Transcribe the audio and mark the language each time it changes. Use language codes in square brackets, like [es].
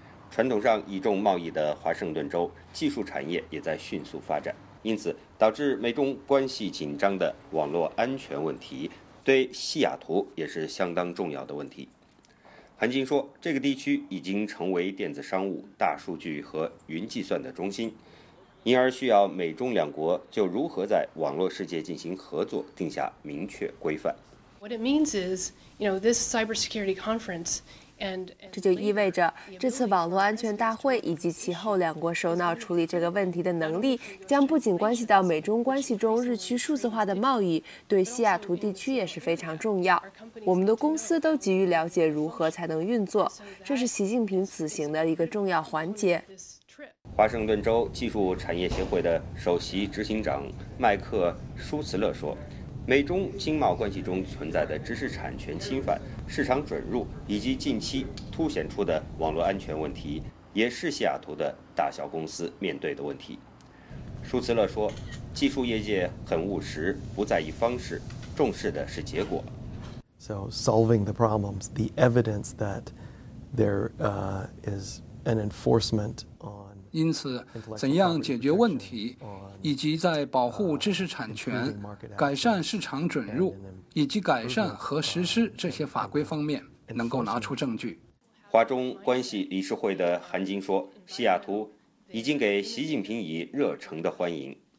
[zh] 传统上倚重贸易的华盛顿州技术产业也在迅速发展，因此导致美中关系紧张的网络安全问题对西雅图也是相当重要的问题。韩晶说，这个地区已经成为电子商务、大数据和云计算的中心，因而需要美中两国就如何在网络世界进行合作定下明确规范。 [en] What it means is, you know, this cybersecurity conference. [zh] 这就意味着这次网络安全大会以及其后两国首脑处理这个问题的能力将不仅关系到美中关系中日趋数字化的贸易，对西雅图地区也是非常重要。我们的公司都急于了解如何才能运作，这是习近平此行的一个重要环节。华盛顿州技术产业协会的首席执行长麦克舒茨勒说，美中经贸关系中存在的知识产权侵犯、市场准入以及近期凸显出的网络安全问题，也是西雅图的大小公司面对的问题。舒茨勒说，技术业界很务实，不在意方式，重视的是结果。 [en] So solving the problems, the evidence that there is an enforcement on. [zh] 因此怎样解决问题，以及在保护知识产权、改善市场准入以及改善和实施这些法规方面能够拿出证据。华中关系理事会的韩晶说，西雅图已经给习近平以热诚的欢迎。